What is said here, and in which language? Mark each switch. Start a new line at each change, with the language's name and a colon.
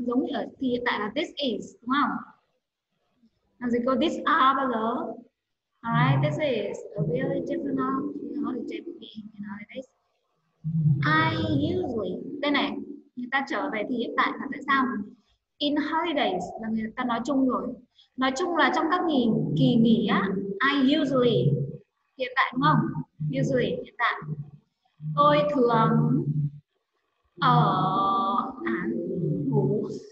Vietnamese: Giống như ở thì hiện tại là
English: this is.
Vietnamese: Đúng không? Làm gì có
English: this are
Vietnamese: bao giờ?
English: Alright, this is a really different meaning, you know, like this. I usually,
Vietnamese: đây này, người ta trở về thì hiện tại là tại sao?
English: In holidays,
Vietnamese: là người ta nói chung rồi. Nói chung là trong các kỳ nghỉ á,
English: I usually,
Vietnamese: hiện tại đúng không? Usually, hiện tại. Tôi thường ở ngủ.